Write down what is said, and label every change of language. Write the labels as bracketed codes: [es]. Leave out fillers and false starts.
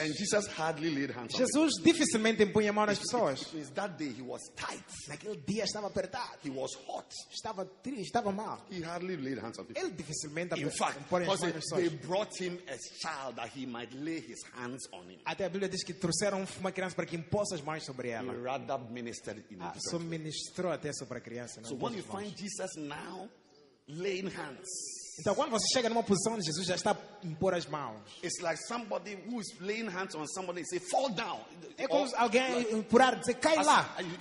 [en] And Jesus hardly laid hands. [pt] Jesus dificilmente impunha mãos nas pessoas. [en] It's that day he was tight. [pt] Naquele dia estava apertado. [en] He was hot. [pt] Estava triste, estava mal. [en] He hardly laid hands on people. [pt] Ele dificilmente impunha mãos nas pessoas. [en] In fact, they brought him a child that he might lay his hands on him. [pt] Até a Bíblia diz que trouxeram uma criança para que impôs as mãos sobre ela. [en] He rather ministered in [pt] a só ministrou até sobre a criança. [en] So when you find Jesus now laying hands. [pt] Então quando você chega numa posição onde Jesus já está impor as mãos. [en] It's like somebody who is laying hands on somebody and say fall down. [pt] É como or, alguém empurrar e dizer cai lá.